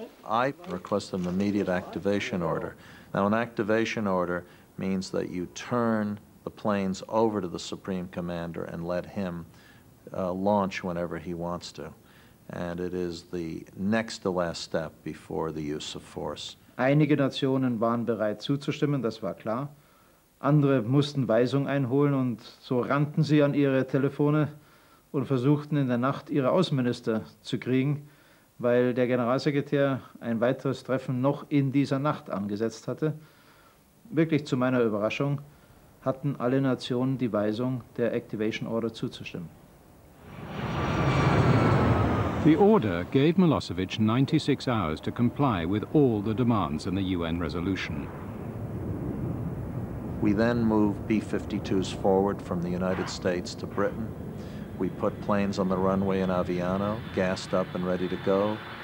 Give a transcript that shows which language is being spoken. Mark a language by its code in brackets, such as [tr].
[en] I request an immediate activation order. Now, an activation order means that you turn the planes over to the Supreme Commander and let him launch whenever he wants to. And it is the next to last step before the use of force. [de] Einige Nationen waren bereit zuzustimmen, das war klar. Andere mussten Weisung einholen und so rannten sie an ihre Telefone und versuchten in der Nacht ihre Außenminister zu kriegen, weil der Generalsekretär ein weiteres Treffen noch in dieser Nacht angesetzt hatte. Wirklich zu meiner Überraschung hatten alle Nationen die Weisung, der Activation Order zuzustimmen. [en] The order gave Milosevic 96 hours to comply with all the demands in the UN resolution. We then move B-52s forward from the United States to Britain. We put planes on the runway in Aviano, gassed up and ready to go.